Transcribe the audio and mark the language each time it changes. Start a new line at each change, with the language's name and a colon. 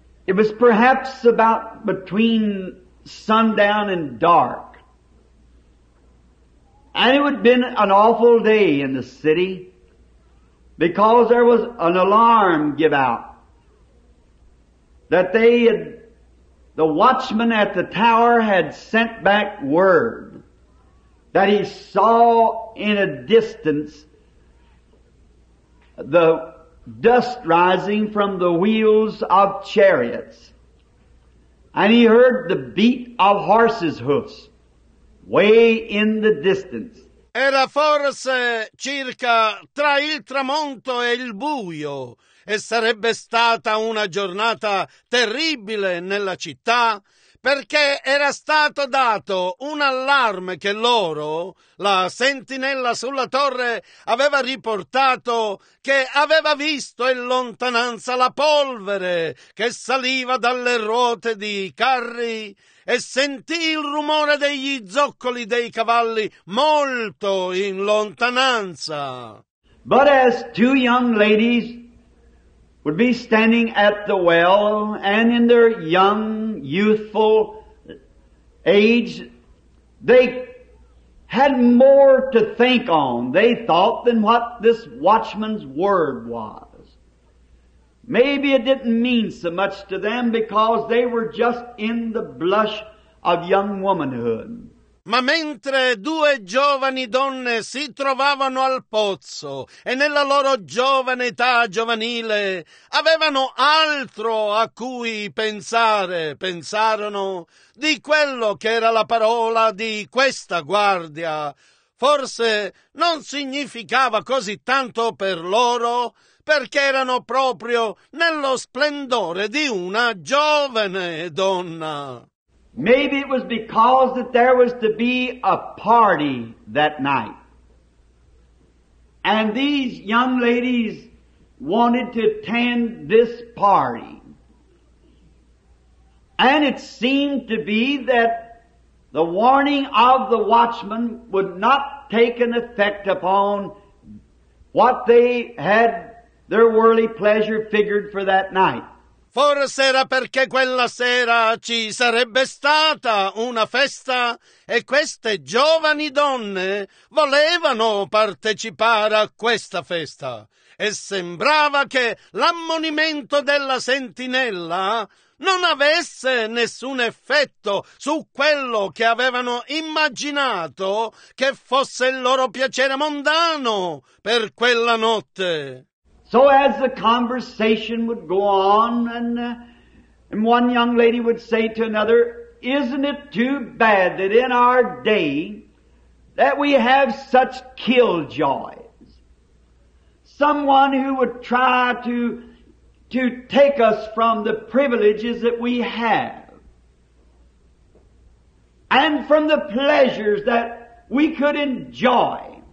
English: It was perhaps about between sundown and dark. And it would have been an awful day in the city. Because there was an alarm give out that they had, the watchman at the tower had sent back word that he saw in a distance the dust rising from the wheels of chariots, and he heard the beat of horses' hoofs way in the distance.
Italian: Era forse circa tra il tramonto e il buio, e sarebbe stata una giornata terribile nella città, perché era stato dato un allarme che loro, la sentinella sulla torre, aveva riportato che aveva visto in lontananza la polvere che saliva dalle ruote di carri e sentì il rumore degli zoccoli dei cavalli molto in lontananza.
English: But as two young ladies would be standing at the well, and in their young, youthful age, they had more to think on, they thought, than what this watchman's word was. Maybe it didn't mean so much to them because they were just in the blush of young womanhood.
Italian: Ma mentre due giovani donne si trovavano al pozzo e nella loro giovane età giovanile avevano altro a cui pensare, pensarono di quello che era la parola di questa guardia. Forse non significava così tanto per loro, perché erano proprio nello splendore di una giovane donna.
English: Maybe it was because that there was to be a party that night. And these young ladies wanted to attend this party. And it seemed to be that the warning of the watchman would not take an effect upon what they had their worldly pleasure figured for that night.
Italian: Forse era perché quella sera ci sarebbe stata una festa e queste giovani donne volevano partecipare a questa festa. E sembrava che l'ammonimento della sentinella non avesse nessun effetto su quello che avevano immaginato che fosse il loro piacere mondano per quella notte.
English: So as the conversation would go on, and one young lady would say to another, isn't it too bad that in our day that we have such killjoys? Someone who would try to take us from the privileges that we have, and from the pleasures that we could enjoy.